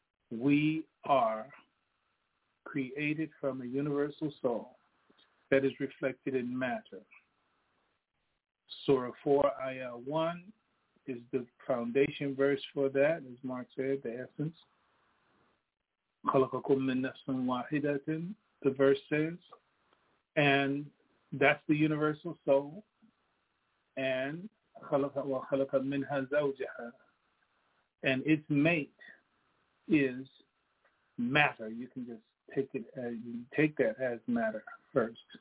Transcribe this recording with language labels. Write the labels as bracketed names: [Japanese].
[English] We are created from a universal soul that is reflected in matter. Surah 4, Ayah 1 is the foundation verse for that, as Mark said, the essence. [Arabic] خَلَقَكُمْ مِنْ نَفْسٍ وَاحِدَةٍ, [English] the verse says. And that's the universal soul. And [Arabic] وَخَلَقَ مِنْهَا زَوْجَهَا, [English] and its mate is matter. You can just take it as, you can take that as matter first.